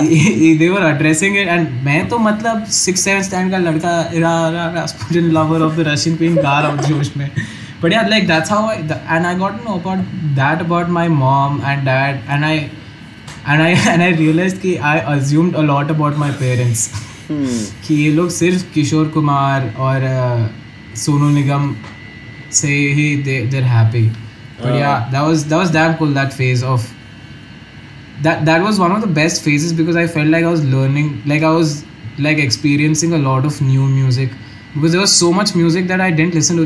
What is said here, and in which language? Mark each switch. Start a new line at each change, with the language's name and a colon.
English: they were addressing it, and
Hindi: मैं तो मतलब
English: 6-7 stand
Hindi: का लड़का
English: Rasputin lover of the Russian queen
Hindi: गा रहा हूँ जोश में.
English: But yeah, like that's how and I got to know about that about my mom and dad, and I realized कि I assumed a lot about my parents.
Hindi: कि ये लोग सिर्फ किशोर कुमार और सोनू निगम से ही
English: they're happy. But yeah, that was damn cool, that phase of. That was one of the best phases, because I felt like I was learning, like I was like experiencing a lot of new music, because there was so much music that I didn't listen to.